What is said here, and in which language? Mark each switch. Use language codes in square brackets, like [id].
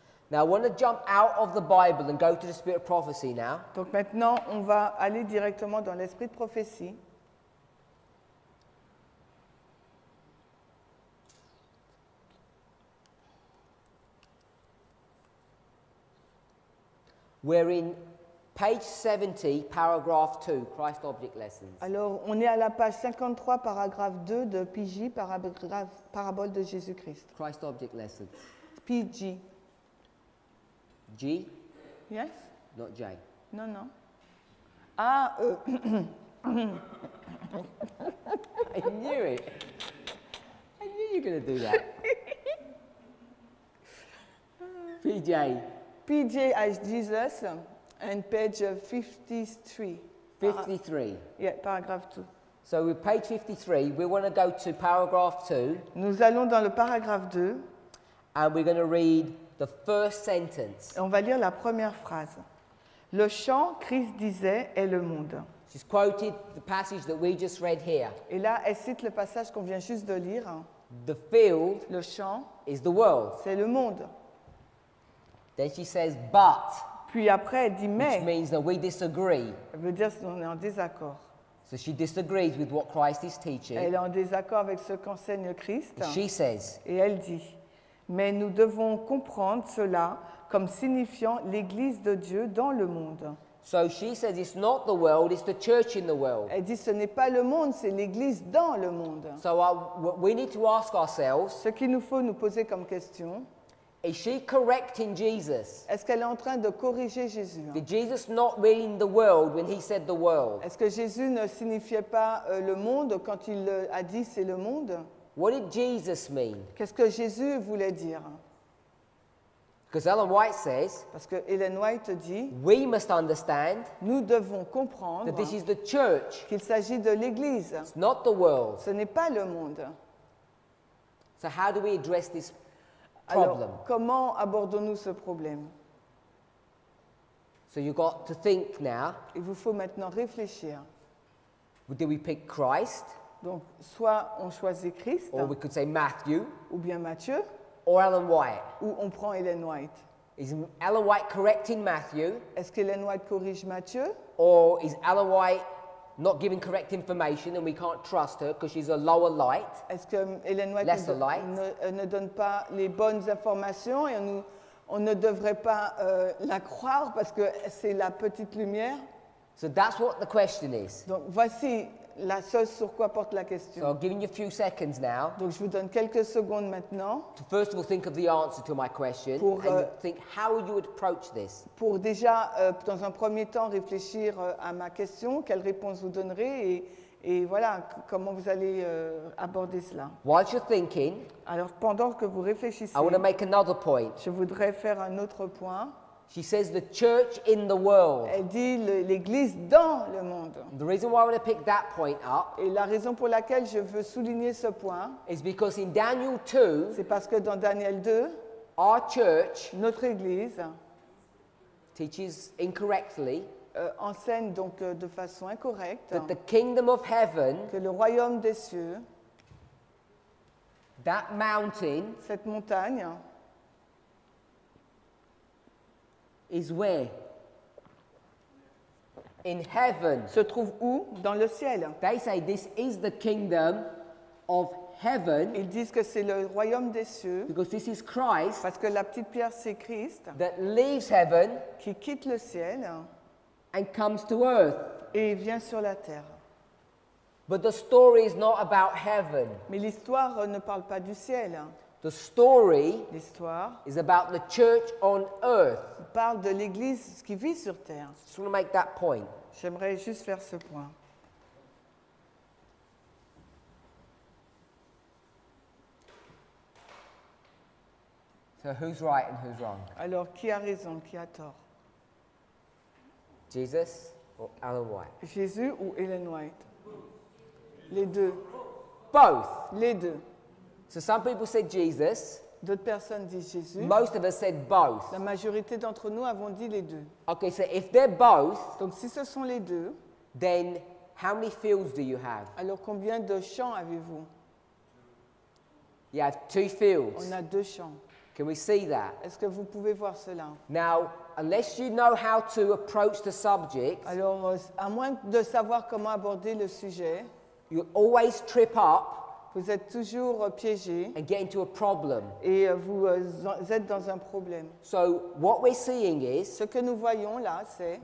[en] Now I want to jump out of the Bible and go to the spirit of prophecy now. [fr] Donc maintenant, on va aller directement dans l'esprit de prophétie. [en] We're in page 70, paragraph 2, Christ Object Lessons. [fr] Alors, on est à la page 53, paragraphe 2 de PJ, parabole de Jésus-Christ. [en] Christ Object Lessons. [fr] PJ. [en] G? Yes. Not J. [fr] Non, non. Ah, [en] I knew it. I knew you were going to do that. PJ. PJ as Jesus. And page 53. Yeah, paragraph 2. So we're page 53. We want to go to paragraph 2. [fr] Nous allons dans le paragraphe 2. [en] And we're going to read the first sentence. [fr] On va lire la première phrase. Le champ, Christ disait, est le monde. [en] She's quoted the passage that we just read here. [fr] Et là, elle cite le passage qu'on vient juste de lire. [en] The field, [fr] le champ, [en] is the world. [fr] C'est le monde. [en] Then she says, but. [fr] Puis après, elle dit mais. [en] Which means that we disagree. [fr] Elle veut dire qu'on est en désaccord. [en] So she disagrees with what Christ is teaching. [fr] Elle est en désaccord avec ce qu'enseigne Christ. [en] And she says. [fr] Et elle dit, mais nous devons comprendre cela comme signifiant l'Église de Dieu dans le monde. [en] So she says it's not the world, it's the church in the world. [fr] Elle dit ce n'est pas le monde, c'est l'Église dans le monde. [en] So we need to ask ourselves. [fr] Ce qu'il nous faut nous poser comme question. [en] Is she correcting Jesus? [fr] Est-ce qu'elle est en train de corriger Jésus? [en] Did Jesus not mean the world when he said the world? [fr] Est-ce que Jésus ne signifiait pas le monde quand il a dit c'est le monde? [en] What did Jesus mean? [fr] Qu'est-ce que Jésus voulait dire? [en] Because Ellen White says. [fr] Parce que Ellen White dit. [en] We must understand. [fr] Nous devons comprendre. [en] That this is the church. [fr] Qu'il s'agit de l'Église. [en] It's not the world. [fr] Ce n'est pas le monde. [en] So how do we address this? [fr] Alors, comment abordons-nous ce problème? [en] So you got to think now. [fr] Il vous faut maintenant réfléchir. [en] Do we pick Christ? [fr] Donc, soit on choisit Christ. [en] Or we could say Matthew. [fr] Ou bien Matthieu. [en] Or Ellen White. [fr] Ou on prend Ellen White. [en] Is Ellen White correcting Matthew? [fr] Est-ce qu'Ellen White corrige Matthieu? [en] Or is Ellen White not giving correct information and we can't trust her because she's a lower light. [fr] Est-ce que Ellen White ne donne pas les bonnes informations et on ne devrait pas la croire parce que c'est la petite lumière? [en] So that's what the question is. [fr] Donc voici la chose sur quoi porte la question. [en] So I'm giving you a few seconds now. [fr] Donc je vous donne quelques secondes maintenant. [en] To first of all think of the answer to my question [fr] pour, [en] and think how you would approach this. [fr] Pour déjà dans un premier temps réfléchir à ma question, quelle réponse vous donnerez et voilà comment vous allez aborder cela. [en] While you're thinking, [fr] alors pendant que vous réfléchissez, [en] I want to make another point. [fr] Je voudrais faire un autre point. [en] She says the church in the world. [fr] Elle dit l'église dans le monde. [en] The reason why I want to pick that point up. [fr] Et la raison pour laquelle je veux souligner ce point. [en] Is because in Daniel 2. [fr] C'est parce que dans Daniel 2. [en] Our church. [fr] Notre église. [en] Teaches incorrectly. [fr] Enseigne donc de façon incorrecte. [en] That the kingdom of heaven. [fr] Que le royaume des cieux. [en] That mountain. [fr] Cette montagne. [en] Is where? In heaven. [fr] Se trouve où? Dans le ciel. [en] They say this is the kingdom of heaven. [fr] Ils disent que c'est le royaume des cieux. [en] Because this is Christ. [fr] Parce que la petite pierre c'est Christ. [en] That leaves heaven. [fr] Qui quitte le ciel. [en] And comes to earth. [fr] Et vient sur la terre. [en] But the story is not about heaven. [fr] Mais l'histoire ne parle pas du ciel. [en] The story [fr] l'histoire [en] is about the church on earth. [fr] Parle de l'église qui vit sur terre. [en] Just want to make that point. [fr] J'aimerais juste faire ce point. [en] So who's right and who's wrong? [fr] Alors qui a raison, qui a tort? [en] Jesus or Ellen White? [fr] Jésus ou Ellen White? Les deux. [en] Both. [fr] Les deux. [en] So some people said Jesus. [fr] D'autres personnes disent Jésus. [en] Most of us said both. [fr] La majorité d'entre nous avons dit les deux. [en] Okay, so if they're both, [fr] donc si ce sont les deux, [en] then how many fields do you have? [fr] Alors combien de champs avez-vous? [en] You have two fields. [fr] On a deux champs. [en] Can we see that? [fr] Est-ce que vous pouvez voir cela? [en] Now, unless you know how to approach the subject, [fr] alors à moins de savoir comment aborder le sujet, [en] you always trip up. [fr] Vous êtes toujours piégé. [en] And get into a problem. [fr] Et vous êtes dans un problème. [en] So what we're seeing is. [fr] Ce que nous voyons là, c'est.